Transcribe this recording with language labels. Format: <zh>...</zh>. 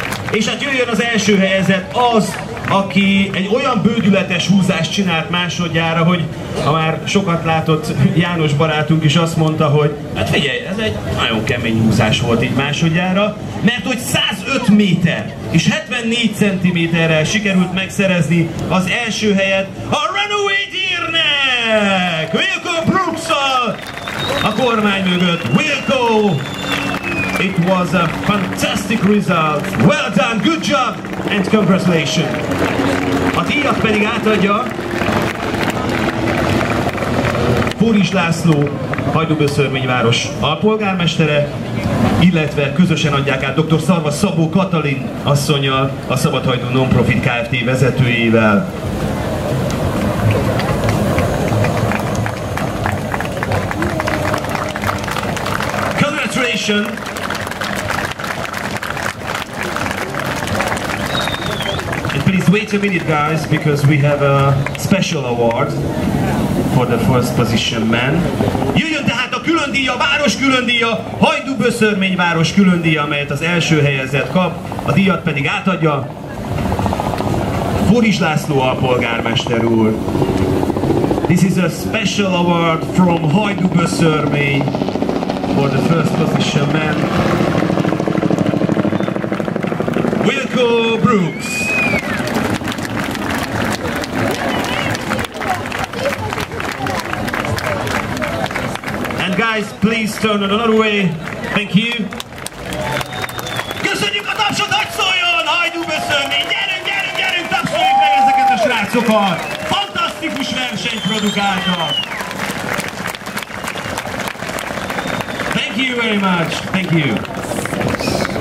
<hu>És hát jöjjön az első helyezett, az, aki egy olyan bődületes húzást csinált másodjára, hogy ha már sokat látott János barátunk is azt mondta, hogy hát figyelj, ez egy nagyon kemény húzás volt így másodjára, mert hogy 105 méter és 74 centiméterrel sikerült megszerezni az első helyet a Runaway Deernek, Wilco Brooks-szal a kormány mögött. Wilco!</hu> <en>It was a fantastic result. Well done, good job, and congratulations.</en> <hu>A díjat pedig átadja Póris László, hajdúböszörményváros alpolgármestere, illetve közösen adják át dr. Szarva Szabó Katalin asszonnyal, a Szabadhajdú Nonprofit Kft. Vezetőjével.</hu> <en>Congratulations! Wait a minute, guys, because we have a special award for the first position man.</en> <hu>Jöjjön tehát a külön díja, város külön díja, hajdúböszörmény város külön díja, amelyet az első helyezett kap. A díjat pedig átadja Foris László alpolgármester úr.</hu> <en>This is a special award from hajdúböszörmény for the first position man. Wilco Brooks. Guys, please turn another way. Thank you.</en> <hu>Köszönjük a tapsot, hogy szóljon! Hajdúböszörmény! Gyerünk, gyerünk, gyerünk! Tapsoljuk meg ezeket a srácokat! Fantasztikus versenyt produkáltak!</hu> <en>Thank you very much. Thank you.</en>